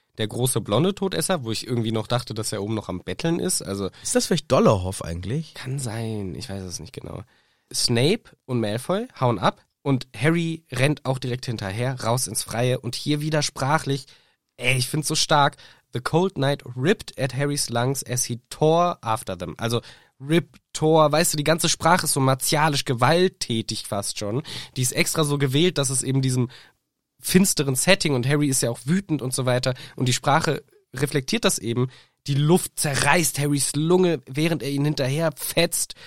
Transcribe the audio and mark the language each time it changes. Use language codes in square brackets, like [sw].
[de] Der große blonde Todesser, wo ich irgendwie noch dachte, dass er oben noch am Betteln ist. Also ist das vielleicht Dollerhoff eigentlich? Kann sein, ich weiß es nicht genau. Snape und Malfoy hauen ab und Harry rennt auch direkt hinterher, raus ins Freie und hier wieder sprachlich... Ey, ich find's so stark. [en] The cold night ripped at Harry's lungs as he tore after them. [de] Also, rip, tore, weißt du, die ganze Sprache ist so martialisch, gewalttätig fast schon. Die ist extra so gewählt, dass es eben diesem finsteren Setting, und Harry ist ja auch wütend und so weiter, und die Sprache reflektiert das eben, die Luft zerreißt Harrys Lunge, während er ihn hinterher fetzt.